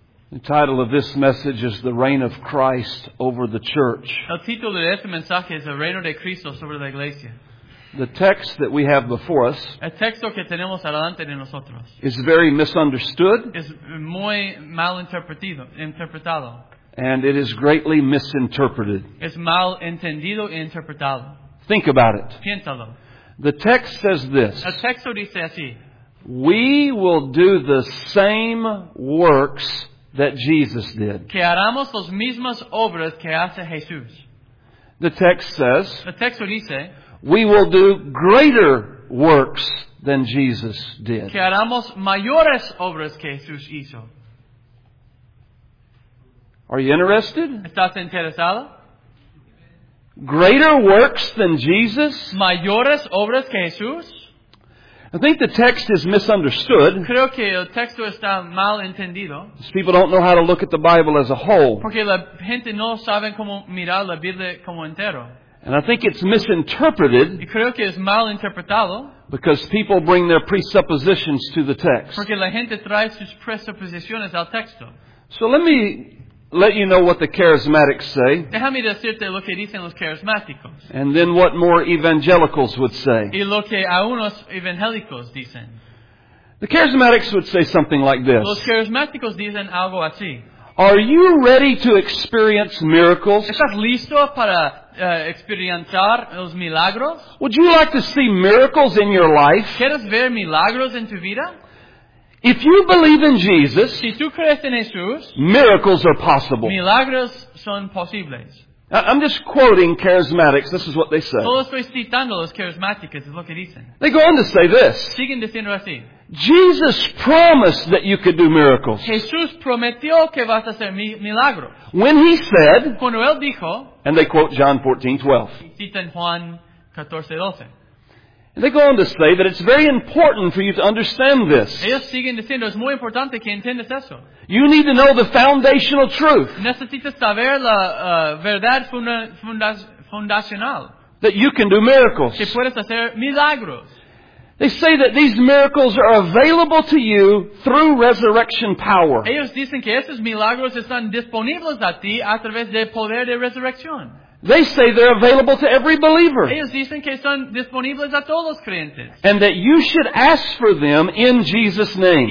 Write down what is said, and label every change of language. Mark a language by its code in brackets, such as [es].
[en] The title of this message is The Reign of Christ Over the Church. [es] El título de este mensaje es El Reino de Cristo sobre la Iglesia. [en] The text that we have before us, [es] el texto que tenemos adelante de nosotros, [en] is very misunderstood. [es] Es muy mal interpretado. [en] And it is greatly misinterpreted. [es] Es mal entendido e interpretado. [en] Think about it. [es] Piénsalo. [en] The text says this. [es] El texto dice así. [en] We will do the same works that Jesus did. [es] Que haremos las mismas obras que hace Jesús. [en] The text says. [es] El texto dice. [en] We will do greater works than Jesus did. [es] Que haremos mayores obras que Jesús hizo. [en] Are you interested? [es] ¿Estás interesado? [en] Greater works than Jesus? [es] Mayores obras que Jesús? [en] I think the text is misunderstood. [es] Creo que el texto está mal entendido. [en] People don't know how to look at the Bible as a whole. [es] Porque la gente no sabe cómo mirar la Biblia como entero. [en] And I think it's misinterpreted. [es] Y creo que es mal interpretado. [en] Because people bring their presuppositions to the text. [es] Porque la gente trae sus presuposiciones al texto. [en] So let me let you know what the charismatics say. [es] Déjame decirte lo que dicen los carismáticos. [en] And then what more evangelicals would say. [es] Y lo que algunos evangélicos dicen. [en] The charismatics would say something like this. [es] Los carismáticos dicen algo así. [en] Are you ready to experience miracles? [es] ¿Estás listo para experimentar los milagros? [en] Would you like to see miracles in your life? [es] ¿Quieres ver milagros en tu vida? [en] If you believe in Jesus, [es] si tú crees en Jesús, [en] miracles are possible. [es] Milagros son posibles. [en] I'm just quoting charismatics. This is what they say. [es] Todos estoy citando los carismáticos, es lo que dicen. [en] They go on to say this. [es] Siguen diciendo así. [en] Jesus promised that you could do miracles. [es] Jesús prometió que vas a hacer milagros. [en] When he said, [es] cuando él dijo, [en] and they quote John 14:12. [es] Citan Juan 14:12. [en] And they go on to say that it's very important for you to understand this. [es] Ellos siguen diciendo, es muy importante que entiendas eso. [en] You need to know the foundational truth. [es] Necesitas saber la verdad fundacional. [en] That you can do miracles. [es] Que puedes hacer milagros. [en] They say that these miracles are available to you through resurrection power. [es] Ellos dicen que esos milagros están disponibles a ti a través del poder de resurrección. [en] They say they're available to every believer. [es] Ellos dicen que son disponibles a todos los creyentes. [en] And that you should ask for them in Jesus' name.